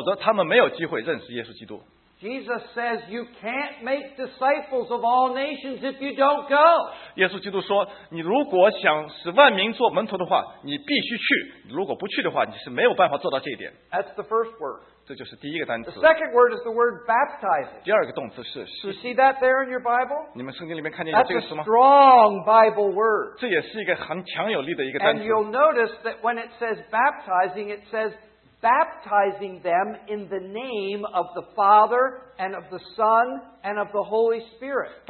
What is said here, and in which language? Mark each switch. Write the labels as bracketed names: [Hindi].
[Chinese] 他告诉我们，那些不认识耶稣基督的地方，除非我们这些认识耶稣基督的地方的人愿意去那里，否则他们没有机会认识耶稣基督。 [English] Jesus says you can't make disciples of all nations if you don't go. [Chinese] 耶稣基督说，你如果想使万民做门徒的话，你必须去。如果不去的话，你是没有办法做到这一点。 [English] That's the first word. [Chinese] 这就是第一个单词。 [English] The second word is the word baptizing. [Chinese] 第二个动词是。 [English] You see that there in your Bible? [Chinese] 你们圣经里面看见有这个词吗？ [English] That's a strong Bible word. [Chinese] 这也是一个很强有力的一个单词。 [English] And you'll notice that when it says baptizing, it says baptizing them in the name of the Father and of the Son and of the Holy Spirit.